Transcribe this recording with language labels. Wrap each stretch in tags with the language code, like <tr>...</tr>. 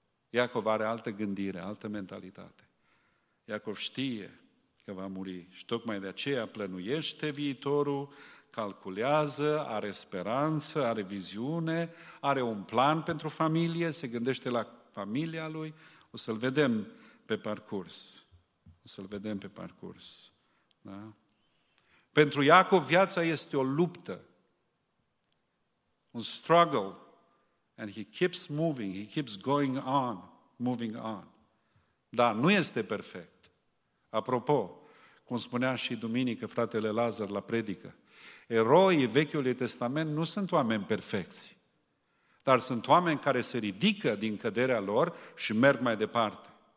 <ro>Iacov are altă gândire, altă mentalitate. Iacov știe că va muri și tocmai de aceea plănuiește viitorul, calculează, are speranță, are viziune, are un plan pentru familie, se gândește la familia lui. O să-l vedem pe parcurs. O să-l vedem pe parcurs. Da? Pentru Iacov viața este o luptă. Un struggle.</ro> <en>And he keeps moving, he keeps going on, moving on.</en> <ro>Dar nu este perfect. Apropo, cum spunea și duminică fratele Lazar la predică, eroii Vechiului Testament nu sunt oameni perfecți, dar sunt oameni care se ridică din căderea lor și merg mai departe.</ro>